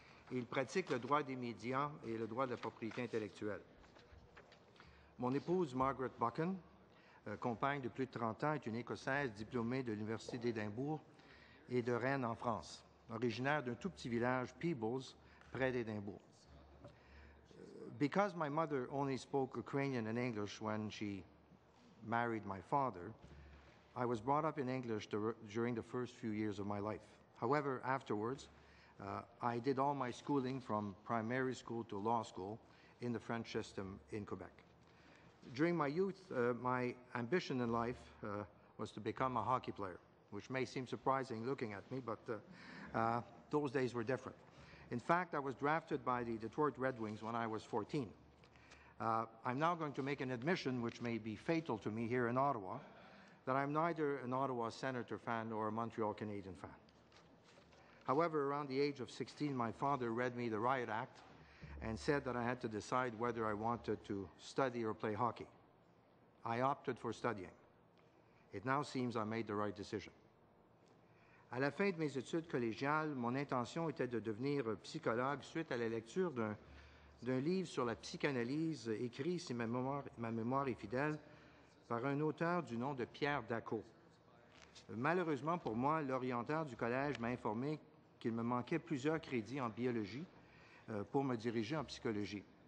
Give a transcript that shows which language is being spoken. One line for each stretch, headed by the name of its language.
French: Il pratique le droit des médias et le droit de la propriété intellectuelle. Mon épouse Margaret Buchan, compagne de plus de 30 ans, est une Écossaise diplômée de l'Université d'Édimbourg et de Rennes en France, originaire d'un tout petit village, Peebles, près d'Édimbourg.
English: Because my mother only spoke Ukrainian and English when she married my father, I was brought up in English during the first few years of my life. However, afterwards, I did all my schooling from primary school to law school in the French system in Quebec. During my youth, my ambition in life was to become a hockey player, which may seem surprising looking at me, but those days were different. In fact, I was drafted by the Detroit Red Wings when I was 14. I'm now going to make an admission, which may be fatal to me here in Ottawa, that I'm neither an Ottawa Senator fan nor a Montreal Canadian fan. However, around the age of 16, my father read me the Riot Act and said that I had to decide whether I wanted to study or play hockey. I opted for studying. It now seems I made the right decision.
French: À la fin de mes études collégiales, mon intention était de devenir psychologue suite à la lecture d'un livre sur la psychanalyse écrit, si ma mémoire est fidèle, par un auteur du nom de Pierre Dacqua. Malheureusement pour moi, l'orienteur du collège m'a informé qu'il me manquait plusieurs crédits en biologie pour me diriger en psychologie.